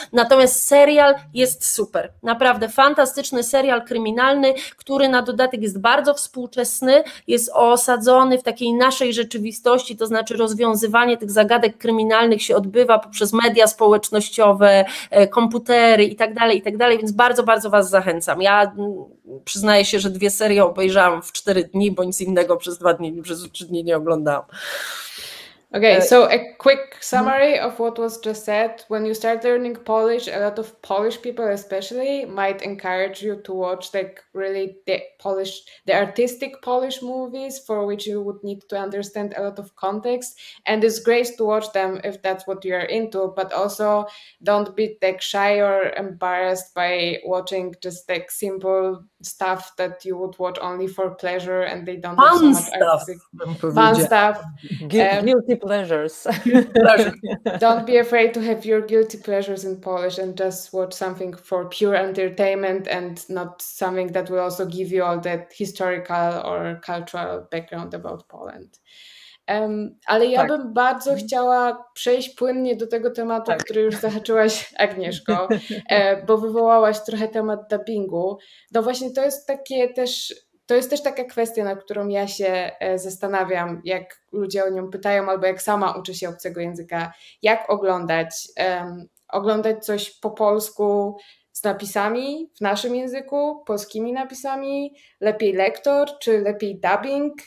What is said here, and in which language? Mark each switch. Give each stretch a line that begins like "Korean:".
Polish: Natomiast serial jest super. Naprawdę fantastyczny serial kryminalny, który na dodatek jest bardzo współczesny, jest osadzony w takiej naszej rzeczywistości, to znaczy rozwiązywanie tych zagadek kryminalnych się odbywa poprzez media społecznościowe, komputery i tak dalej, więc bardzo, bardzo Was zachęcam. Ja przyznaję się, że dwie serie obejrzałam w 4 dni, bo nic innego przez 2 dni, przez 3 dni nie oglądałam.
English: Okay, so a quick summary of what was just said. When you start learning Polish, a lot of Polish people especially might encourage you to watch like really the artistic Polish movies for which you would need to understand a lot of context. And it's great to watch them if that's what you're into, but also don't be like shy or embarrassed by watching just like simple stuff that you would watch only for pleasure and they don't fun have so much stuff. Fun stuff. Guilty pleasures. Don't be afraid to have your guilty pleasures in Polish and just watch something for pure entertainment and not something that will also give you all that historical or cultural background about Poland.
Polish: Ale ja tak. bym bardzo chciała przejść płynnie do tego tematu, tak. który już zahaczyłaś, Agnieszko, bo wywołałaś trochę temat dubbingu. No właśnie to jest takie też, to jest też taka kwestia, na którą ja się zastanawiam, jak ludzie o nią pytają, albo jak sama uczę się obcego języka, jak oglądać, oglądać coś po polsku z napisami w naszym języku, polskimi napisami, lepiej lektor, czy lepiej dubbing?